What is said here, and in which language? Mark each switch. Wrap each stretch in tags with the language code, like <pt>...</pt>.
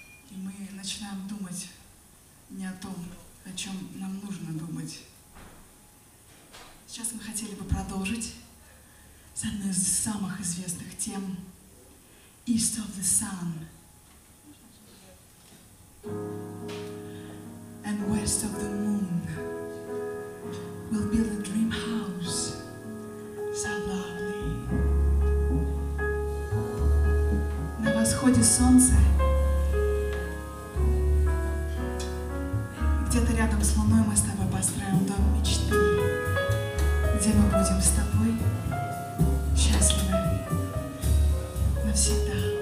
<ru>И мы начинаем думать не о том, о чем нам нужно думать. Сейчас мы хотели бы продолжить с одной из самых известных тем «East of the Sun» and «West of the Moon».</ru> <en>We'll build a dream house so lovely.</en> <ru>На восходе солнца, где-то рядом с луной, мы с тобой построим дом мечты, где мы будем с тобой счастливы навсегда.</ru>